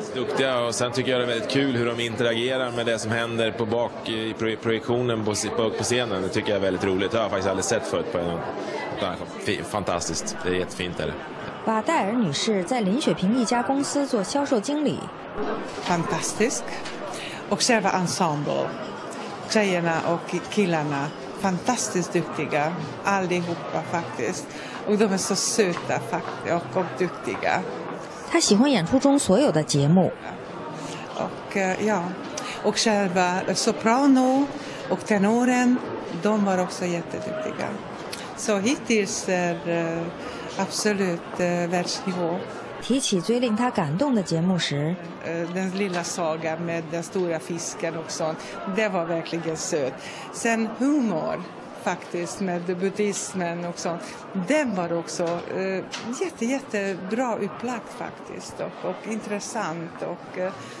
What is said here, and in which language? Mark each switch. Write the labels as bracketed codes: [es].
[sv] Duktiga, och sen tycker jag det är väldigt kul hur de interagerar med det som händer på bak i projektionen på scenen. Det tycker jag är väldigt roligt, det har jag faktiskt aldrig sett förut på en gång. Fantastiskt, det är jättefint där. [zh] 瓦戴尔女士在林雪平一家公司做销售经理。 [sv] Fantastisk, och själva ensemble. Tjejerna och killarna, fantastiskt duktiga, allihopa faktiskt. Och de är så söta faktiskt och duktiga. Han [zh] 喜欢演出中所有的节目. [sv] Och ja, och själva soprano och tenoren, de var också jätteduktiga. Så hittills är absolut världsnivå. [zh] 提起最令他感动的节目时 [sv] ，den lilla saga med den stora fisken och sånt, det var verkligen söt. Sen humor faktiskt med buddhismen och sånt, den var också jättebra upplagt faktiskt och intressant och.